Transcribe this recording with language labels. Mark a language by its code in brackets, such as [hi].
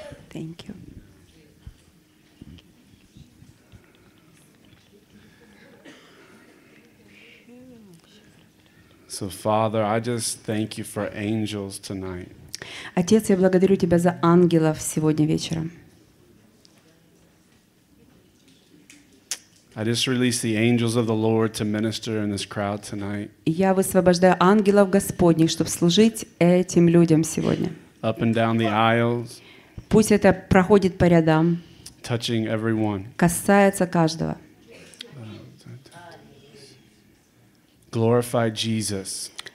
[en] Thank you. So, Father, I just thank you for angels tonight. [ru] Отец, я благодарю тебя за ангелов сегодня вечером. [en] I just release the angels of the Lord to minister in this crowd tonight. [ru] Я высвобождаю ангелов Господних, чтобы служить этим людям сегодня. [en] Up and down the aisles. [ru] Пусть это проходит по рядам, [en] touching everyone. [ru] Касается каждого. [en] Glorify Jesus.